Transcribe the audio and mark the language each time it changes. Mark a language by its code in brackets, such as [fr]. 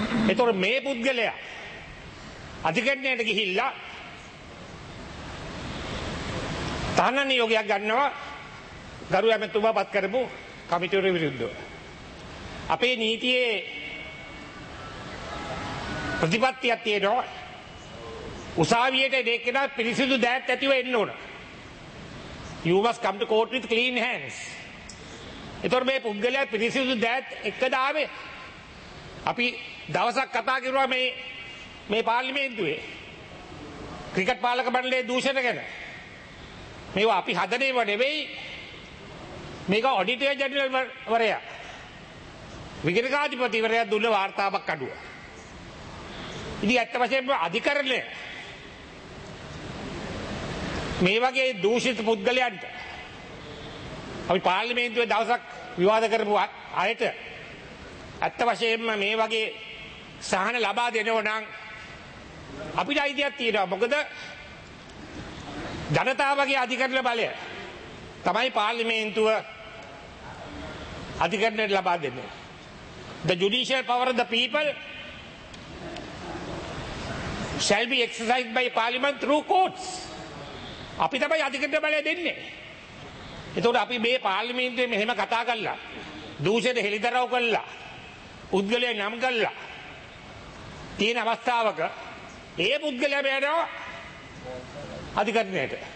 [si] එතකොට මේ පුද්ගලයා අධිකරණයට ගිහිල්ලා තහනම් නියෝගයක් ගන්නවා ගරු ඇමතුමා පත් කරපු කමිටුවේ විරුද්ධව. අපේ නීතියේ ප්‍රතිපත්තියක් තියෙනවා, උසාවියට දෙකෙනා පිළිසිදු දෑත් ඇතිව එන්න ඕන. [en] You must come to court with clean hands. [si] එතකොට මේ පුද්ගලයා පිළිසිදු දෑත් එක්කදාවේ අපි දවසක් කතා කරුවා මේ මේ පාර්ලිමේන්තුවේ ක්‍රිකට් පාලක මණ්ඩලයේ දූෂණ ගැන. මේවා අපි හදනේම නෙවෙයි, මේක ඔඩිටර් ජෙනරල් වරයා විගණකාධිපතිවරයා දුන්න වාර්තාවක් අඩුව. ඉතින් ඇත්ත වශයෙන්ම අධිකරණය මේ වගේ දූෂිත පුද්ගලයන්ට අපි පාර්ලිමේන්තුවේ දවසක් විවාද කරපු අයට ඇත්ත වශයෙන්ම මේ වගේ සහන ලබා දෙනවා නම් අපිට අයිතියක් තියෙනවා. මොකද ජනතාවගේ අධිකරණ බලය තමයි පාර්ලිමේන්තුව අධිකරණයට ලබා දෙන්නේ. [en] The judicial power of the people shall be exercised by parliament through courts. [si] අපි තමයි අධිකරණ බලය දෙන්නේ. එතකොට අපි මේ පාර්ලිමේන්තුවේ මෙහෙම කතා කරලා දූෂණ හෙළිදරව් කළා, පුද්ගලයා නම් කළා තියෙන අවස්ථාවක ඒ පුද්ගලයා බෑනවා අධිකරණයට.